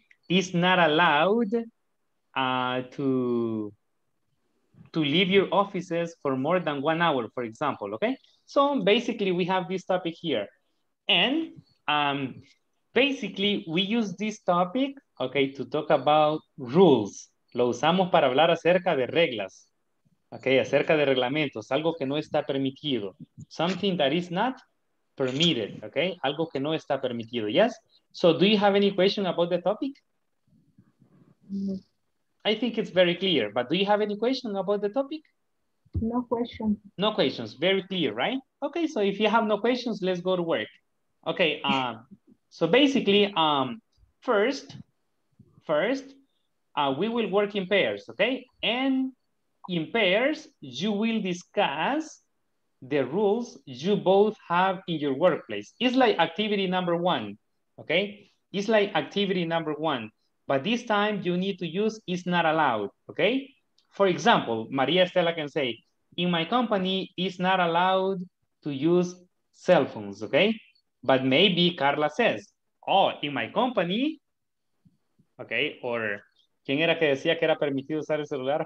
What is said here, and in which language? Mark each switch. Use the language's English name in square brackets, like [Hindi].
[English] Is not allowed to leave your offices for more than 1 hour, for example, okay? So basically we have this topic here. And basically we use this topic, okay, to talk about rules. [Spanish] Lo usamos para hablar acerca de reglas. Okay, acerca de reglamentos, algo que no está permitido. [English] Something that is not permitted, okay? [Spanish] Algo que no está permitido, [English] yes? So do you have any question about the topic? No. I think it's very clear, but do you have any question about the topic? No question. No questions, very clear, right? Okay, so if you have no questions, let's go to work. Okay, so basically, first, we will work in pairs, okay? And in pairs, you will discuss the rules you both have in your workplace. It's like activity number one, okay? It's like activity number one, but this time you need to use is not allowed, okay? For example, Maria Estela can say, in my company, it's not allowed to use cell phones, okay? But maybe Carla says, oh, in my company, okay? [Spanish] Or, ¿quién era que decía que era permitido usar el celular?